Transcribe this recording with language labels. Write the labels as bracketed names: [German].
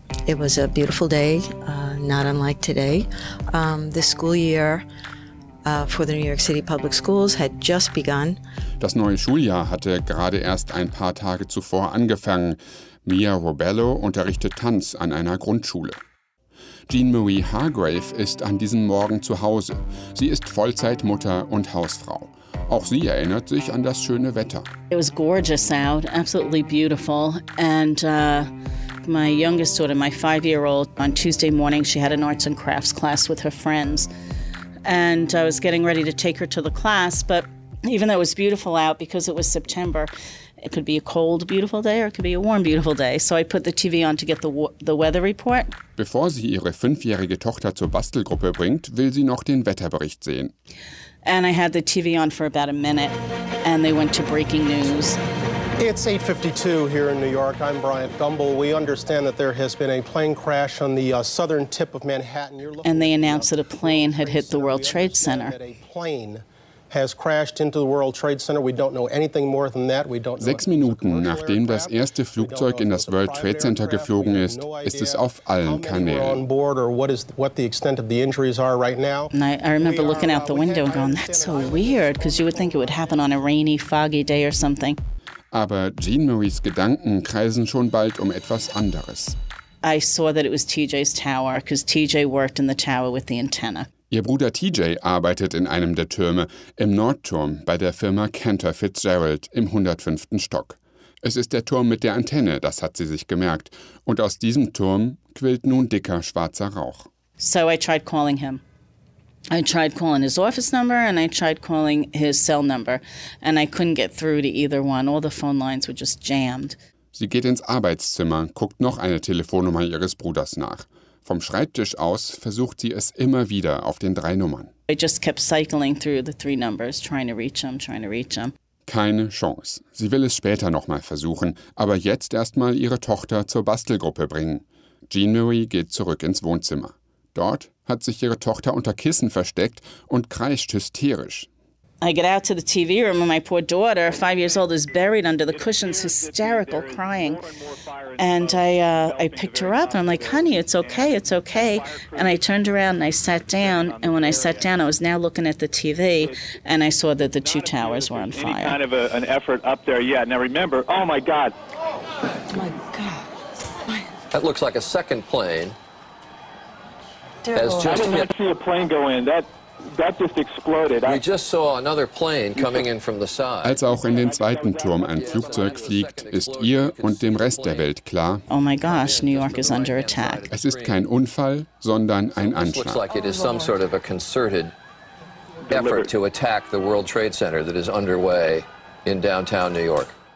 [English] It was a beautiful day, not unlike today. The school year for the New York City Public Schools had just begun. [German] Das neue Schuljahr hatte gerade erst ein paar Tage zuvor angefangen. Mia Robello unterrichtet Tanz an einer Grundschule. Jean Marie Hargrave ist an diesem Morgen zu Hause. Sie ist Vollzeitmutter und Hausfrau. Auch sie erinnert sich an das schöne Wetter. [English] It was gorgeous out, absolutely beautiful. And my youngest daughter, my 5-year-old, on Tuesday morning, she had an arts and crafts class with her friends. And I was getting ready to take her to the class, but even though it was beautiful out because it was September, it could be a cold, beautiful day or it could be a warm, beautiful day. So I put the TV on to get the weather report. [German] Bevor sie ihre 5-jährige Tochter zur Bastelgruppe bringt, will sie noch den Wetterbericht sehen. [English] And I had the TV on for about a minute and they went to breaking news. It's 8:52 here in New York. I'm Bryant Gumbel. We understand that there has been a plane crash on the southern tip of Manhattan. And they announced that a plane had hit the World Trade Center. Has crashed into the World Trade Center. We don't know anything more than that. We don't know. [German] 6 Minuten nachdem das erste Flugzeug in das World Trade Center geflogen ist, ist es auf allen Kanälen. [English] What the extent of the injuries are right now? I remember looking out the window and going, that's so weird, because you would think it would happen on a rainy, foggy day or something. [German] Aber Jean Maries Gedanken kreisen schon bald um etwas anderes. [English] I saw that it was TJ's tower, because TJ worked in the tower with the antenna. [German] Ihr Bruder TJ arbeitet in einem der Türme, im Nordturm, bei der Firma Cantor Fitzgerald im 105. Stock. Es ist der Turm mit der Antenne, das hat sie sich gemerkt. Und aus diesem Turm quillt nun dicker schwarzer Rauch. [English] So I tried calling him. I tried calling his office number and I tried calling his cell number. And I couldn't get through to either one. All the phone lines were just jammed. [German] Sie geht ins Arbeitszimmer, guckt noch eine Telefonnummer ihres Bruders nach. Vom Schreibtisch aus versucht sie es immer wieder auf den 3 Nummern. [English] I just kept cycling through the 3 numbers, trying to reach them, trying to reach them. [German] Keine Chance. Sie will es später nochmal versuchen, aber jetzt erstmal ihre Tochter zur Bastelgruppe bringen. Jean Marie geht zurück ins Wohnzimmer. Dort hat sich ihre Tochter unter Kissen versteckt und kreischt hysterisch. [English] I get out to the TV room and my poor daughter, 5 years old, is buried under the cushions, hysterical, crying. And I picked her up and I'm like, honey, it's okay, it's okay. And I turned around and I sat down. And when I sat down, I was now looking at the TV and I saw that the 2 towers were on fire. Kind of an effort up there yet. Now remember, oh my God. My God. That looks like a second plane. I did not see a plane go in. That that just exploded. We just saw another plane coming in from the side. [German] Als auch in den zweiten Turm ein Flugzeug fliegt, ist ihr und dem Rest der Welt klar. [English] Oh my gosh, New York is under attack. [German] Es ist kein Unfall, sondern ein Anschlag. [English] Looks like it is some sort of a concerted effort to attack the World Trade Center that is underway in downtown New York.